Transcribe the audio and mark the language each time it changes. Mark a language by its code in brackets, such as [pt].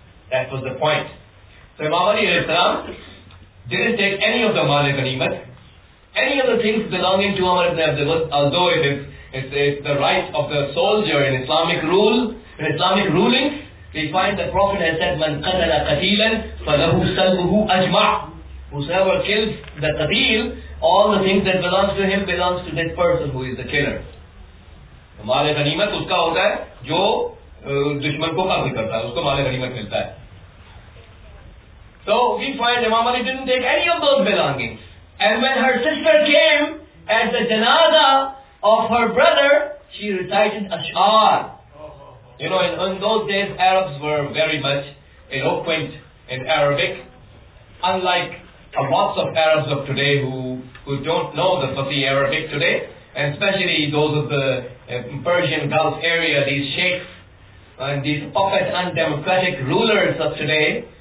[en] That was the point. So Imam Ali al-Islam didn't take any of the mal-e ghanimat, any of the things belonging to Amr ibn Abdul Wud, although it's the right of the soldier in Islamic rule, in Islamic ruling, we find the Prophet has said, [ar] مَنْ قَتَلَ قَتِيلًا فَلَهُ سَلْبُهُ أَجْمَعُ. [en] Whosoever kills the qatil, all the things that belongs to him belongs to this person who is the killer. [ur] Mal-e ghanimat uska hota hai, jo دشمن کو قتل کرتا ہے, اس کو مال غنیمت ملتا ہے. [en] So we find Imam Ali didn't take any of those belongings. And when her sister came at the janaza of her brother, she recited ashar. You know, in those days Arabs were very much eloquent in Arabic, unlike a lot of Arabs of today who don't know the Fasih Arabic today, and especially those of the Persian Gulf area, these sheikhs and these puppet undemocratic rulers of today